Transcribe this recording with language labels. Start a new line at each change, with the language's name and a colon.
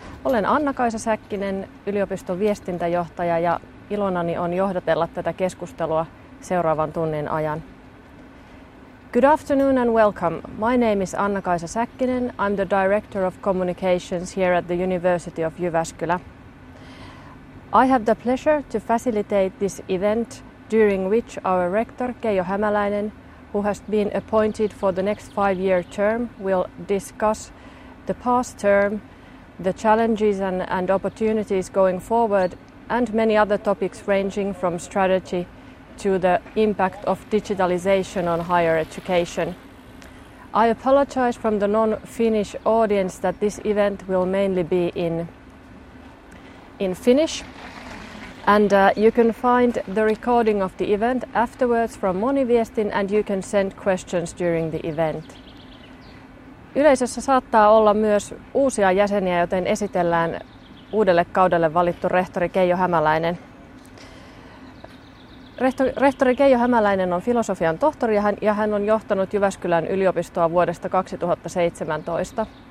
Finnish: Olen Anna-Kaisa Säkkinen, yliopiston viestintäjohtaja, ja ilonani on johdatella tätä keskustelua seuraavan tunnin ajan.
English: Good afternoon and welcome. My name is Anna-Kaisa Säkkinen. I'm the Director of Communications here at the University of Jyväskylä. I have the pleasure to facilitate this event during which our rector, Keijo Hämäläinen, who has been appointed for the next 5-year term, will discuss the past term, the challenges and opportunities going forward, and many other topics ranging from strategy to the impact of digitalization on higher education. I apologize from the non-Finnish audience that this event will mainly be in Finnish. And you can find the recording of the event afterwards from Moniviestin, and you can send questions during the event.
Finnish: Yleisössä saattaa olla myös uusia jäseniä, joten esitellään uudelle kaudelle valittu rehtori Keijo Hämäläinen. Rehtori Keijo Hämäläinen on filosofian tohtori ja hän on johtanut Jyväskylän yliopistoa vuodesta 2017.